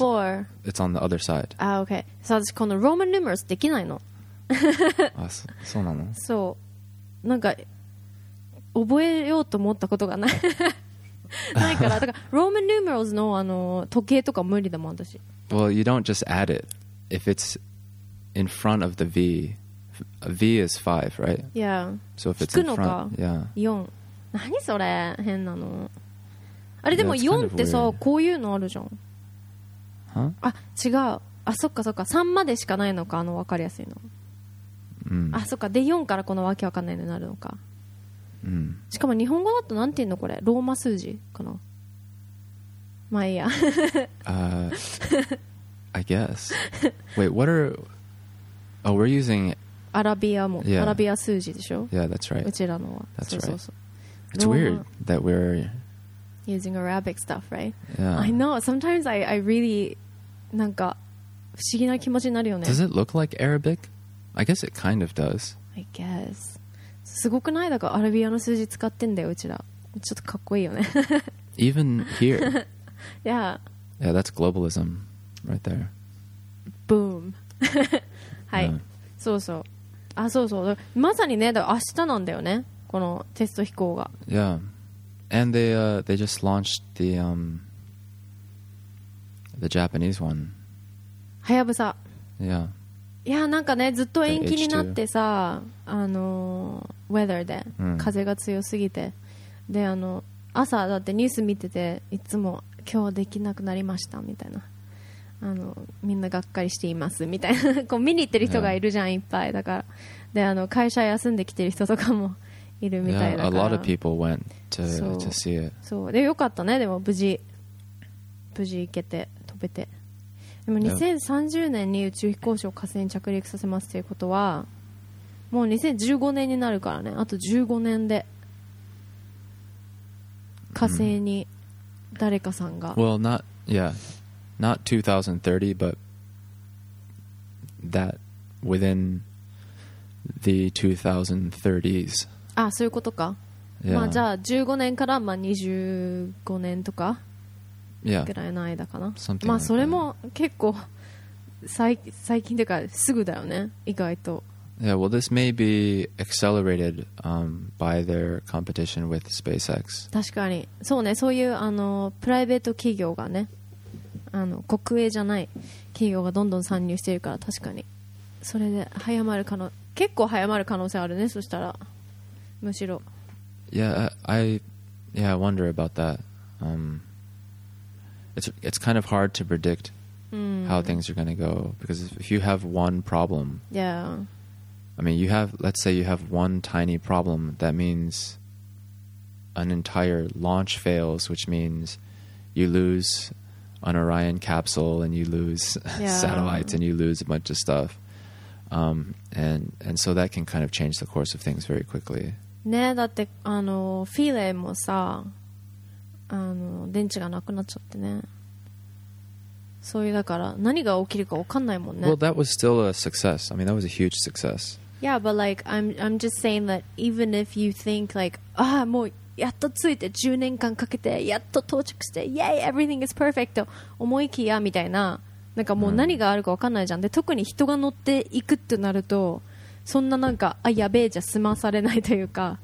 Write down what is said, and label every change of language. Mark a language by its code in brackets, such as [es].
[en] oh, it's 4. It's on the other side. Ah, okay. So, [ja] 私この Roman numerals できないの。あ、そうなの。そう。なんか、覚えようと思ったことがないないからだからローマンニューマルズ の, あの時計とか無理だもん私 [en] Well you don't just add it If it's in front of the V V is 5 right? Yeah So if it's in front [ja] 引くのか、yeah. 4何それ変なのあれでも4ってさ、 [en] yeah, kind of [ja] こういうのあるじゃん、 huh? あ違うあそっかそっか3までしかないのかあの分かりやすいの、 mm. あそっかで4からこのわけわかんないのになるのかうん、しかも日本語だとなんて言うのこれローマ数字かなまあいいや [en] I guess Wait what are Oh we're using [ja] アラビアも、yeah. アラビア数字でしょ [en] Yeah that's right [ja] うちらのは [en] That's [ja] そうそうそう [en] right It's weird that we're Using Arabic stuff right Yeah I know sometimes I really [ja] なんか不思議な気持ちになるよね [en] Does it look like Arabic? I guess it kind of does I guess [ja] すごくないだからアラビアの数字使ってんだようちらちょっとかっこいいよね [en] Even here Yeah Yeah that's globalism Right there Boom はい、yeah. [ja] そうそうあそうそうまさにねだから明日なんだよねこのテスト飛行が [en] Yeah And they just launched the Japanese one [ja] はやぶさ [en] Yeah [ja] いやなんかねずっと延期になってさあのウェザーで風が強すぎて、うん、であの朝だってニュース見てていつも今日できなくなりましたみたいなあのみんながっかりしていますみたいなこう見に行ってる人がいるじゃん、yeah. いっぱいだからであの会社休んできてる人とかもいるみたいだから、 [en] yeah. A lot of people went to see it [ja] そうでよかったねでも無事行けて飛べてでも2030年に宇宙飛行士を火星に着陸させますっていうことはもう2015年になるからねあと15年で火星に誰かさんが、 [en] mm. Well not Yeah Not 2030 But That Within The 2030s [ja] あそういうことか、 [en] yeah. [ja] まあじゃあ15年からまあ25年とか [en] Yeah. [ja] ぐらいの間かな、 [en] Something、 [ja] まあそれも、 [en] like、 [ja] 結構最近というかすぐだよね意外と [en] Yeah well this may be accelerated、by their competition with SpaceX [ja] 確かにそうねそういうあのプライベート企業がねあの国営じゃない企業がどんどん参入しているから確かにそれで早まる可能結構早まる可能性あるねそしたらむしろ [en] Yeah I wonder about that、It's kind of hard to predict、 mm. how things are going to go because if you have one problem, yeah, I mean, you have let's say you have one tiny problem, that means an entire launch fails, which means you lose an Orion capsule and you lose、 yeah. satellites and you lose a bunch of stuff, and so that can kind of change the course of things very quickly. [ja] ね、だってあのフィレもさ。あの電池がなくなっちゃってねそういうだから何が起きるか分かんないもんね [en] Well that was still a success I mean that was a huge success Yeah but like I'm just saying that Even if you think like [ja] ああもうやっと着いて10年間かけてやっと到着して [en] Yay everything is perfect [ja] と思いきやみたいななんかもう何があるか分かんないじゃんで特に人が乗っていくってなるとそんななんかあやべえじゃ済まされないというか